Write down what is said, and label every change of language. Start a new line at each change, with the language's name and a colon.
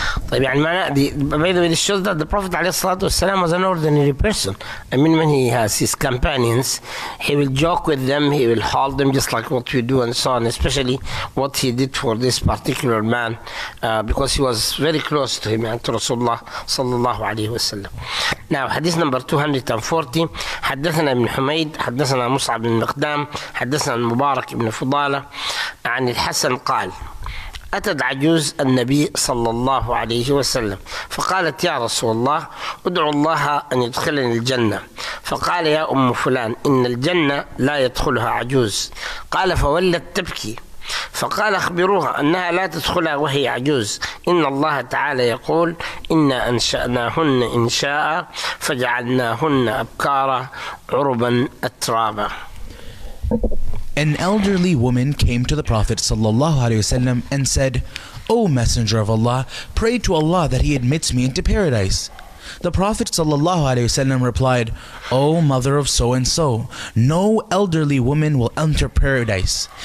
Arabic: طيب يعني معنى
English: by the way, this shows that the Prophet عليه الصلاة والسلام was an ordinary person. I mean, when he has his companions, he will joke with them, he will hold them just like what we do and so on, especially what he did for this particular man because he was very close to him and to Rasulullah صلى الله عليه وسلم. Now, hadith number 240,
Arabic: حدثنا ابن حميد, حدثنا مصعب بن مقدام, حدثنا المبارك بن فضالة عن الحسن قال, أتت عجوز النبي صلى الله عليه وسلم فقالت, يا رسول الله, ادعو الله أن يدخلني الجنة. فقال, يا أم فلان, إن الجنة لا يدخلها عجوز. قال, فولت تبكي. فقال, أخبروها أنها لا تدخلها وهي عجوز, إن الله تعالى يقول, إنا أنشأناهن إن شاء فجعلناهن أبكارا عربا أترابا.
English: An elderly woman came to the Prophet ﷺ and said, "O Messenger of Allah, pray to Allah that he admits me into paradise." The Prophet sallallahu alaihi wasallam replied, "O mother of so and so, no elderly woman will enter paradise."